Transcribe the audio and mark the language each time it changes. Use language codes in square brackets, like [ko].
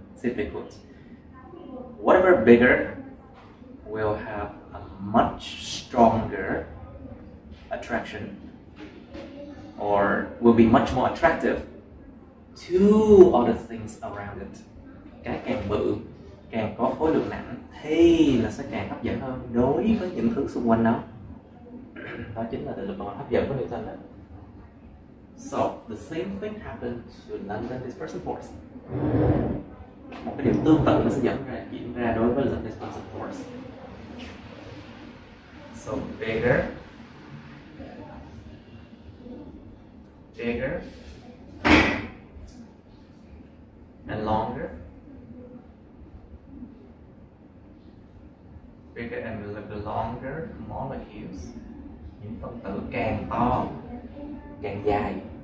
[en] Simply put, whatever bigger will have a much stronger attraction, or will be much more attractive to other things around it. [vi] Cái càng bự, càng có khối lượng nặng thì là sẽ càng hấp dẫn hơn đối với những thứ xung quanh nó. Đó chính là định luật vạn vật hấp dẫn của Newton đó. [en] So the same thing happened to London dispersal force. [vi] Một cái điều tương tự nó sẽ diễn ra đối với London dispersal force. [en] So bigger, and longer, bigger and longer molecules, [vi] những phân tử càng to, càng dài,